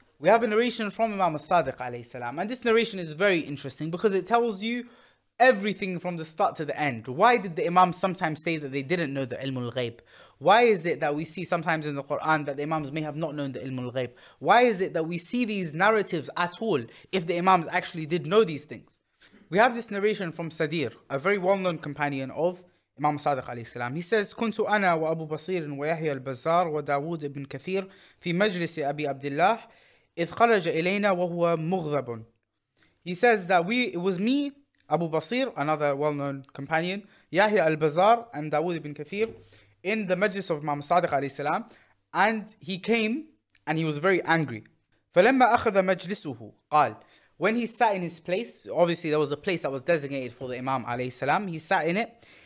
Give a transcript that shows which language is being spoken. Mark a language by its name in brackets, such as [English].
[English] We have a narration from Imam al-Sadiq alayhi salam, and this narration is very interesting because it tells you everything from the start to the end. Why did the Imams sometimes say that they didn't know the ilmul ghayb? Why is it that we see sometimes in the Quran that the Imams may have not known the ilmul ghayb? Why is it that we see these narratives at all if the Imams actually did know these things? We have this narration from Sadir, a very well-known companion of Imam Sadiq alayhi salam. [Arabic] He says, كنت أنا وأبو بصير ويحيى البزار وداود بن كثير في مجلس أبي عبد الله إذ خرج إلينا وهو مغضب. [English] He says that it was me, Abu Basir, another well-known companion, Yahya al-Bazar, and Dawood ibn Kathir, in the majlis of Imam Sadiq alayhi salam, and he came and he was very angry. [Arabic] فَلَمَّا أَخَذَ مَجْلِسُهُ قَالَ. [English] When he sat in his place, obviously there was a place that was designated for the Imam alayhi salam, he sat in it.